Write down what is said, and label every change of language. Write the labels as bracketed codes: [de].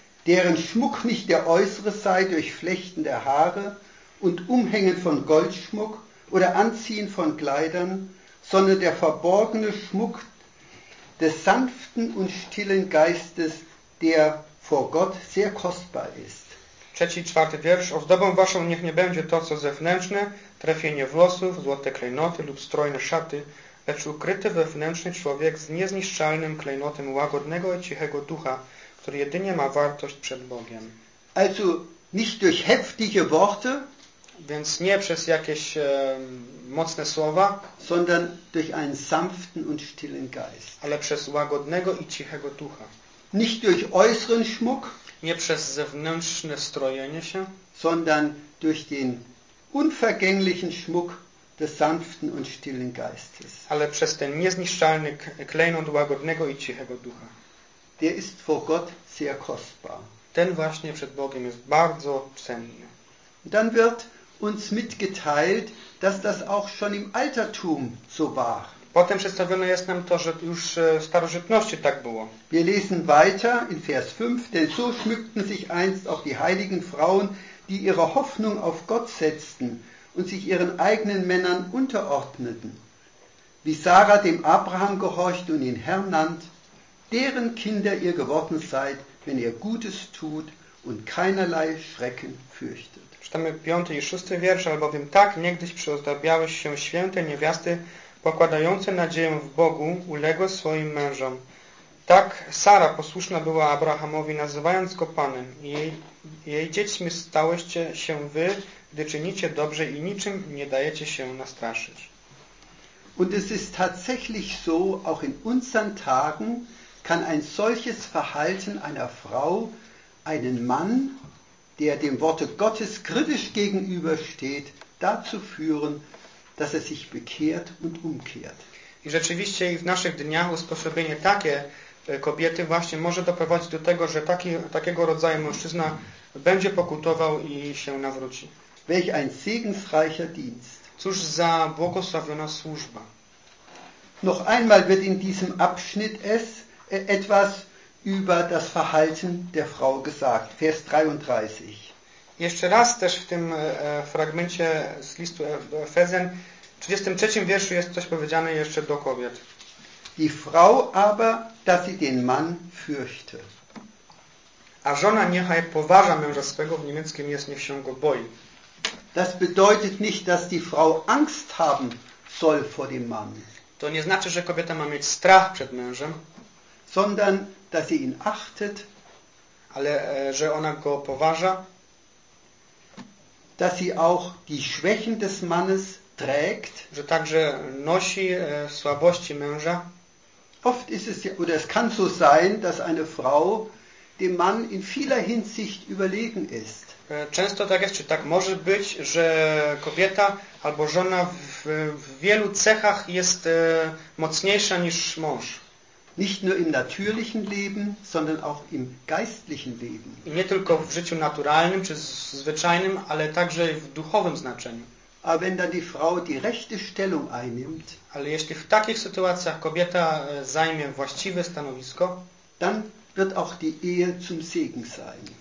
[de] Deren Schmuck nicht der äußere sei durch Flechten der Haare und Umhängen von Goldschmuck oder Anziehen von Kleidern, sondern der verborgene Schmuck des sanften und stillen Geistes, der vor Gott sehr kostbar ist. [pl] Trzeci, czwarty wiersz. Ozdobą waszą niech nie będzie to, co zewnętrzne, trefienie włosów, złote klejnoty lub strojne szaty, lecz ukryty wewnętrzny człowiek z niezniszczalnym klejnotem łagodnego i cichego ducha, który jedynie ma wartość przed Bogiem. [de] Also nicht durch heftige Worte, [pl] więc nie przez jakieś mocne słowa, [de] sondern durch einen sanften und stillen Geist, [pl] ale przez łagodnego i cichego ducha. [de] Nicht durch äußeren Schmuck, [pl] nie przez zewnętrzne strojenie się, [de] sondern durch den unvergänglichen Schmuck des sanften und stillen Geistes, [pl] ale przez ten niezniszczalny klejnot łagodnego i cichego ducha. [de] Der ist vor Gott sehr kostbar. [pl] Ten właśnie przed Bogiem jest bardzo cenny. [de] Dann wird uns mitgeteilt, dass das auch schon im Altertum so war. [pl] Potem przedstawione jest nam to, że już w starożytności tak było. [de] Wir lesen weiter in Vers 5, denn so schmückten sich einst auch die heiligen Frauen, die ihre Hoffnung auf Gott setzten und sich ihren eigenen Männern unterordneten. Wie Sarah dem Abraham gehorcht und ihn Herr nannt, deren Kinder ihr geworden seid, wenn ihr Gutes tut und keinerlei Schrecken fürchtet. [pl] Czytamy piąty i szósty wiersz, albowiem tak niegdyś przyozdabiały się święte niewiasty, pokładające nadzieję w Bogu, uległe swoim mężom. Tak Sara posłuszna była Abrahamowi, nazywając go Panem. Jej dziećmi stałyście się wy, gdy czynicie dobrze i niczym nie dajecie się nastraszyć. [de] Und es ist tatsächlich so, auch in unseren Tagen kann ein solches Verhalten einer Frau einen Mann, der dem Worte Gottes kritisch gegenübersteht, dazu führen, dass er sich bekehrt und umkehrt. [pl] I rzeczywiście w naszych dniach usposobienie takie kobiety właśnie może doprowadzić do tego, że takiego rodzaju mężczyzna będzie pokutował i się nawróci. [de] Welch ein segensreicher Dienst. [pl] Cóż za błogosławiona służba. [de] Noch einmal wird in diesem Abschnitt es etwas über das Verhalten der Frau gesagt. Vers 33. [pl] Jeszcze raz też w tym fragmencie z listu do Efezjan, w 33 wierszu jest coś powiedziane jeszcze do kobiet. [de] Die Frau aber, dass sie den Mann fürchte. [pl] A żona niechaj poważa męża swego, w niemieckim jest niech się go boi. [de] Das bedeutet nicht, dass die Frau Angst haben soll vor dem Mann. [pl] To nie znaczy, że kobieta ma mieć strach przed mężem, [de] sondern dass sie ihn achtet, [pl] ale że ona go poważa, [de] dass sie auch die Schwächen des Mannes trägt, [pl] że także nosi słabości męża. [de] Oft ist es, oder es kann so sein, dass eine Frau dem Mann in vieler Hinsicht überlegen ist. [pl] Często tak jest, czy tak może być, że kobieta albo żona w wielu cechach jest mocniejsza niż mąż. [de] Nicht nur im natürlichen Leben, sondern auch im geistlichen Leben. [pl] I nie tylko w życiu naturalnym czy zwyczajnym, ale także w duchowym znaczeniu. [de] Aber wenn dann die Frau die rechte Stellung einnimmt, [pl] ale jeśli w takich sytuacjach kobieta zajmie właściwe stanowisko, [de] dann wird auch die Ehe zum Segen sein.